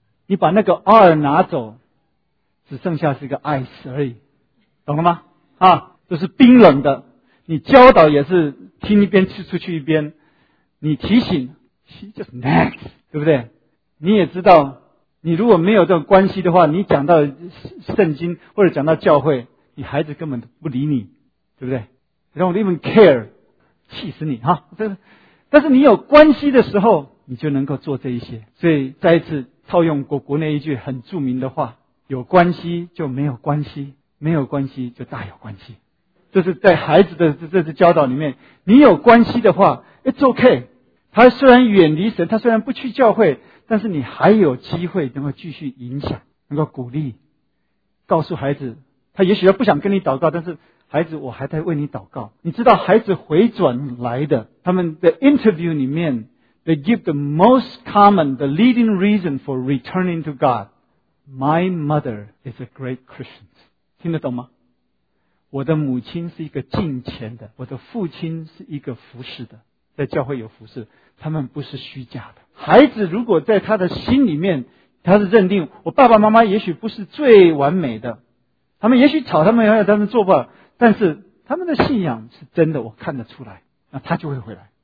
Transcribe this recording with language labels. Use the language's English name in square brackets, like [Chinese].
[Chinese] 你把那个 R 拿走，只剩下是一个 ice 而已，懂了吗？就是冰冷的。你教导也是听一边吃出去一边，你提醒 [English] just next， [Chinese] 对不对？你也知道你如果没有这种关系的话，你讲到圣经或者讲到教会，你孩子根本不理你，对不对？ [English] They don't even care， [Chinese] 气死你。但是你有关系的时候，你就能够做这一些。所以再一次套用国内一句很著名的话，有关系就没有关系，没有关系就大有关系。这是在孩子的这次教导里面，你有关系的话 [English] It's okay， [Chinese] 他虽然远离神，他虽然不去教会，但是你还有机会能够继续影响，能够鼓励，告诉孩子，他也许他不想跟你祷告，但是孩子我还在为你祷告。你知道孩子回转来的，他们的 [English] interview [Chinese] 里面 [English] they give the most common the leading reason for returning to God， My mother is a great Christian。 [Chinese] 听得懂吗？我的母亲是一个敬虔的，我的父亲是一个服侍的，在教会有服侍，他们不是虚假的。孩子如果在他的心里面，他是认定我爸爸妈妈也许不是最完美的，他们也许吵，他们也他们做不好，但是他们的信仰是真的，我看得出来，那他就会回来。